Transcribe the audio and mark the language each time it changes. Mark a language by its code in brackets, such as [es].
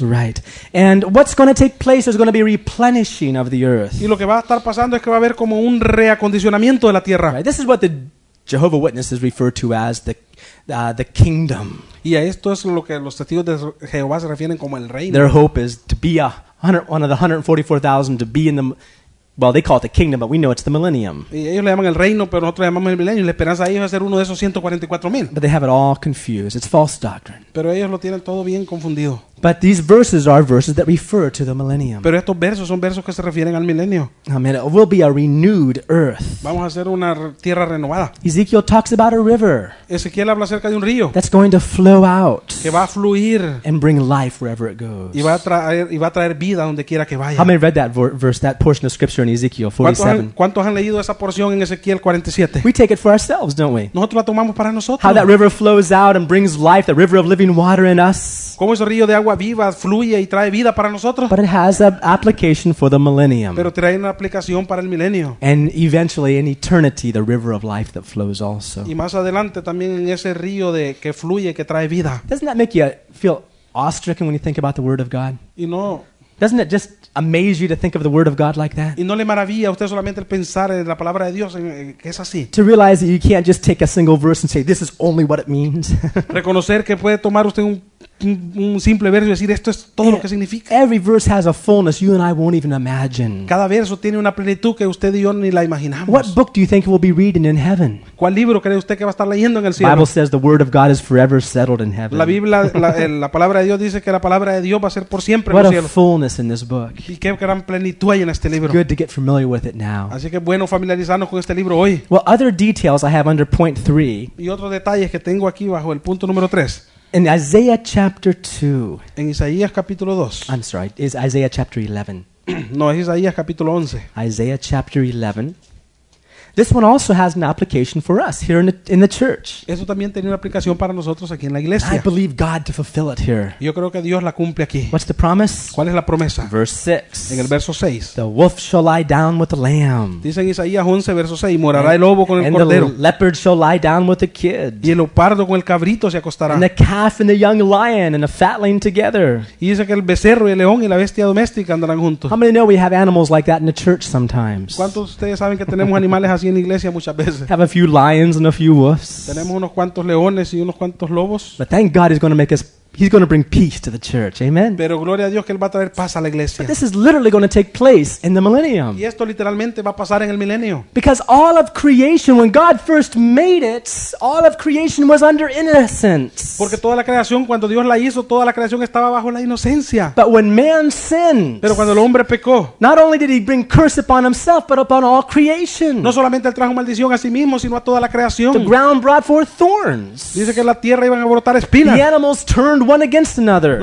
[en] Right. And what's going to take place is going to be replenishing of the earth. [es] Y lo que va a estar pasando es que va a haber como un reacondicionamiento de la tierra. [en] Right. This is what the Jehovah Witnesses refer to as the kingdom. [es] Y a esto es lo que los testigos de Jehová se refieren como el reino. [en] Their hope is to be one of the 144,000 to be in the, well, they call it the kingdom, but we know it's the millennium. [es] Y ellos le llaman el reino, pero nosotros le llamamos el milenio. Y la esperanza de ellos es ser uno de esos 144,000. [en] But they have it all confused. It's false doctrine. [es] Pero ellos lo tienen todo bien confundido. [en] But these verses are verses that refer to the millennium. [es] Pero estos versos son versos que se refieren al milenio. [en] Amen. It will be a renewed earth. [es] Vamos a hacer una tierra renovada. [en] Ezekiel talks about a river. [es] Ezequiel habla acerca de un río. [en] That's going to flow out. [es] Que va a fluir. [en] And bring life wherever it goes. [es] Y va a traer vida donde quiera que vaya. [en] How many read that verse, that portion of scripture in Ezekiel 47? [es] ¿Cuántos han leído esa porción en Ezequiel 47? [en] We take it for ourselves, don't we? [es] Nosotros la tomamos para nosotros. [en] How that river flows out and brings life, the river of living water in us. [es] ¿Cómo ese río de agua viva fluye y trae vida para nosotros? [en] But it has an application for the millennium. [es] Pero trae una aplicación para el milenio. [en] And eventually in eternity the river of life that flows also. [es] Y más adelante también en ese río de que fluye que trae vida. [en] Doesn't that make you feel awe-stricken when you think about the word of God? [es] Y no. [en] Doesn't it just amaze you to think of the word of God like that? [es] Y no le maravilla a usted solamente el pensar en la palabra de Dios, que es así. [en] To realize that you can't just take a single verse and say this is only what it means. [es] Reconocer que puede tomar usted un simple verso y decir esto es todo lo que significa. [en] Every verse has a fullness you and I won't even imagine. [es] Cada verso tiene una plenitud que usted y yo ni la imaginamos. [en] What book do you think we'll be reading in heaven? [es] ¿Cuál libro cree usted que va a estar leyendo en el cielo? [en] The Bible says the word of God is forever settled in heaven. [es] La Biblia, la palabra de Dios dice que la palabra de Dios va a ser por siempre en el cielo. [en] What a fullness in this book. [es] Y qué gran plenitud hay en este libro. [en] It's good to get familiar with it now. [es] Así que bueno familiarizarnos con este libro hoy. [en] Well, other details I have under point 3. [es] Y otros detalles que tengo aquí bajo el punto número 3. [en] In Isaiah chapter 2. [es] En Isaías capítulo 2. [en] I'm sorry, it's Isaiah chapter 11. [es] No, es Isaías capítulo 11. [en] Isaiah chapter 11. This one also has an application for us here in the church. [es] Eso también tiene una aplicación para nosotros aquí en la iglesia. [en] I believe God to fulfill it here. [es] Yo creo que Dios la cumple aquí. [en] What's the promise? [es] ¿Cuál es la promesa? [en] Verse 6. [es] En el verso 6. [en] The wolf shall lie down with the lamb. [es] Dice en Isaías 11, verso 6, morará el lobo con el cordero. [en] And the leopard shall lie down with the kid. [es] Y el leopardo con el cabrito se acostará. [en] And the calf and the young lion and the fatling together. [es] Y dice que el becerro y el león y la bestia doméstica andarán juntos. [en] How many know we have animals like that in the church sometimes? [es] ¿Cuántos de ustedes saben que tenemos animales así? En iglesia muchas veces. [en] Have a few lions and a few wolves. [es] Tenemos unos cuantos leones y unos cuantos lobos. [en] But thank God he's going to bring peace to the church. Amen. [es] Pero gloria a Dios que él va a traer paz a la iglesia. [en] But this is literally going to take place in the millennium. [es] Y esto literalmente va a pasar en el milenio. [en] Because all of creation, when God first made it, all of creation was under innocence. [es] Porque toda la creación, cuando Dios la hizo, toda la creación estaba bajo la inocencia. [en] But when man sinned, [es] pero cuando el hombre pecó, [en] not only did he bring curse upon himself, but upon all creation. [es] No solamente él trajo maldición a sí mismo, sino a toda la creación. [en] The ground brought forth thorns. [es] Dice que la tierra iban a brotar espinas. [en] The animals turned one against another.